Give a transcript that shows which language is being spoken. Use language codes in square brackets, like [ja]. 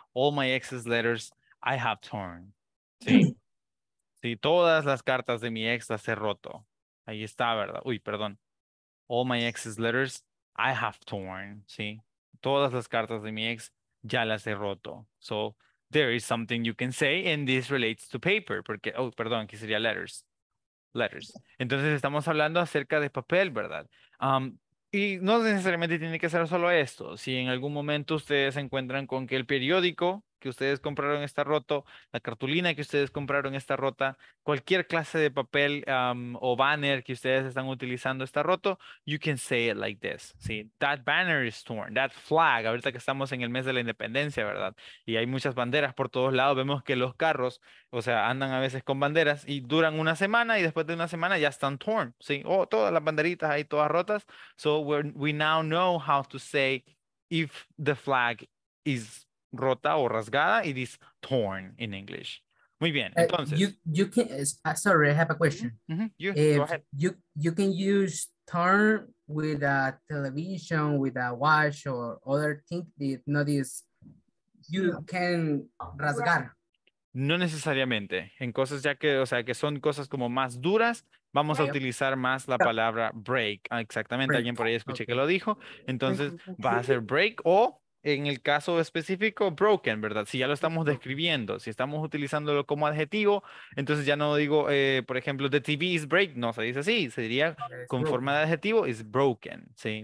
[en] All my exes' letters I have torn. Sí. [es] Sí, todas las cartas de mi ex las he roto. Ahí está, ¿verdad? Uy, perdón. [en] All my ex's letters I have torn. [es] Sí. Todas las cartas de mi ex ya las he roto. [en] So, there is something you can say, and this relates to paper. [es] Porque, oh, perdón, aquí sería letters. Letters. Entonces, estamos hablando acerca de papel, ¿verdad? Y no necesariamente tiene que ser solo esto. Si en algún momento ustedes se encuentran con que el periódico que ustedes compraron está roto, la cartulina que ustedes compraron está rota, cualquier clase de papel o banner que ustedes están utilizando está roto, [en] you can say it like this. [es] ¿Sí? [en] That banner is torn, that flag. [es] Ahorita que estamos en el mes de la independencia, ¿verdad? Y hay muchas banderas por todos lados. Vemos que los carros, o sea, andan a veces con banderas y duran una semana y después de una semana ya están torn. ¿Sí? Oh, todas las banderitas ahí todas rotas. [en] So we now know how to say if the flag is [es] rota o rasgada, [en] it is torn in English. [es] Muy bien, entonces. [en] Sorry, I have a question. Mm-hmm. You, go ahead. You can use torn with a television, with a watch or other thing that not is, you can rasgar. [es] No necesariamente. En cosas ya que, o sea, que son cosas como más duras, vamos a utilizar más la palabra break. Ah, exactamente, break. Alguien por ahí escuché que lo dijo. Entonces, va a ser break o... En el caso específico, broken, ¿verdad? Si ya lo estamos describiendo, si estamos utilizándolo como adjetivo, entonces ya no digo, por ejemplo, [en] the TV is break, [es] no se dice así, se diría con forma de adjetivo, is broken, ¿sí?